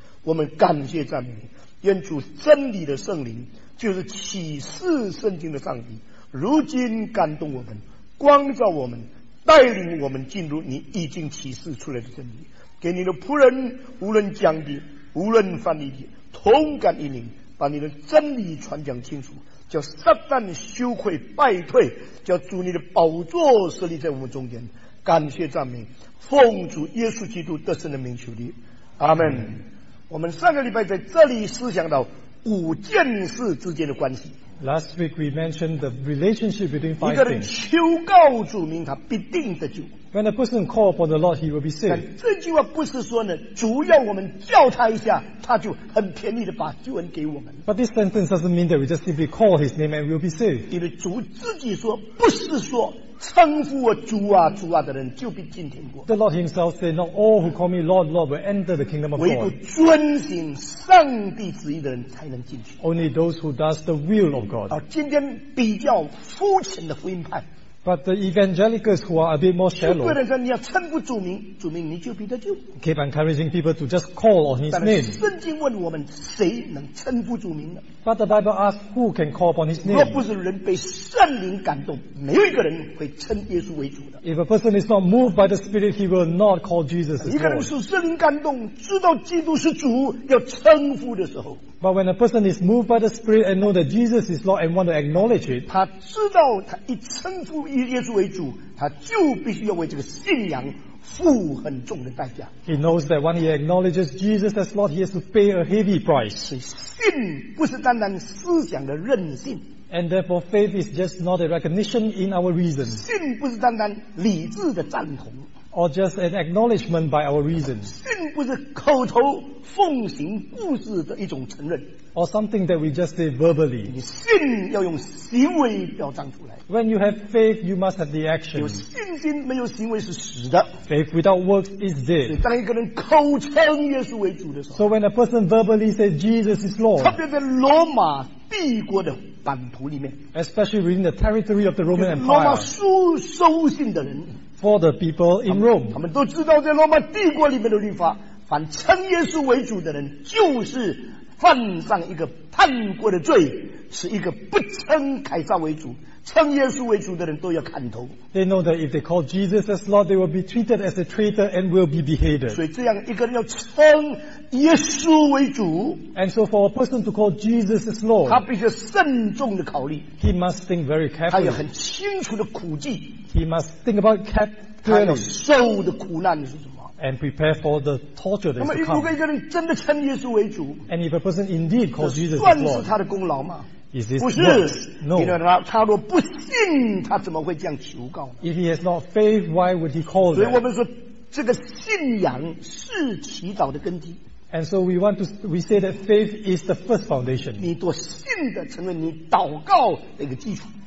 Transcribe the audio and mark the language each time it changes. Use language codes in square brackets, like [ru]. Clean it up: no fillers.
[zh] 我们感谢赞美你，愿主真理的圣灵，就是启示圣经的上帝，如今感动我们，光照我们，带领我们进入你已经启示出来的真理，给你的仆人无论讲的无论翻译的同感引领，把你的真理传讲清楚，叫撒旦羞愧败退，叫主你的宝座设立在我们中间。感谢赞美，奉主耶稣基督得胜的名求你，阿们。我们上个礼拜在这里思想到五件事之间的关系。 [en] Last week we mentioned the relationship between five things. [zh] 一个人求告主名，他必定得救。 [en] When a person calls upon the Lord, he will be saved. [zh] 这句话不是说呢，主要我们叫他一下，他就很便宜的把救恩给我们。 [en] But this sentence doesn't mean that we just simply call his name and we'll be saved. [zh] 因为主自己说，不是说称呼我主啊主啊的人就必进天国。 [en] The Lord himself said, not all who call me Lord, Lord will enter the kingdom of God. [zh] 唯独遵行上帝旨意的人才能进去。 [en] Only those who does the will of God. [zh] 今天比较肤浅的福音派。 [en] But the evangelicals who are a bit more shallow. [zh] 对的人说，你要称呼主名，主名你就必得救。 [en] Keep encouraging people to just call on his name. [zh] 但是圣经问我们，谁能称呼主名呢？ [en] But the Bible asks who can call upon his name. [zh] 若不是人被圣灵感动，没有一个人会称耶稣为主的。 [en] If a person is not moved by the Spirit, he will not call Jesus as Lord. [zh] 一个人受圣灵感动，知道基督是主，要称呼的时候。 [en] But when a person is moved by the Spirit and know that Jesus is Lord and want to acknowledge it, [zh] 他知道他一称呼耶稣为主，他就必须要为这个信仰付很重的代价。 [en] He knows that when he acknowledges Jesus as Lord, he has to pay a heavy price. [zh] 信不是单单思想的任性。 [en] And therefore, faith is just not a recognition in our reason. [zh] 信不是单单理智的赞同。 [en] Or just an acknowledgement by our reason. [zh] 信不是口头奉行故事的一种承认。 [en] Or something that we just say verbally. [zh] 你信要用行为表彰出来。 [en] When you have faith, you must have the action. [zh] 有信心没有行为是死的。 [en] Faith without works is dead. [zh] 当一个人口称耶稣为主的时候。 [en] So when a person verbally says Jesus is Lord. [zh] 特别在罗马帝国的版图里面。 [en] Especially within the territory of the Roman Empire. [zh] 罗马书收信的人。 [en] For the people in Rome, [zh] 他们都知道在罗马帝国里面的律法，凡称耶稣为主的人，就是犯上一个叛国的罪，是一个不称凯撒为主，称耶稣为主的人都要砍头。 [en] They know that if they call Jesus as Lord, they will be treated as a traitor and will be beheaded. [zh] 所以这样一个人要称耶稣为主 [en] ，and so for a person to call Jesus as Lord, [zh] 他必须慎重的考虑 [en] ，he must think very carefully. [zh] 他有很清楚的苦计。 [en] He must think about clearly. [zh] 他受的苦难是什么？ [en] and prepare for the torture that is to come. [zh] 那么，如果一个人真的称耶稣为主 [en] ，and if a person indeed calls Jesus Lord， [zh] 算是他的功劳吗？ [en] Is this [zh] 不是， [en] no. [zh] 因为他若不信，他怎么会这样求告呢？ [en] If he has not faith, why would he call? [zh] 所以我们说，这个信仰是祈祷的根基。 [en] And so we want to we say that faith is the first foundation. [zh] 你所信的成为你祷告的一个基础。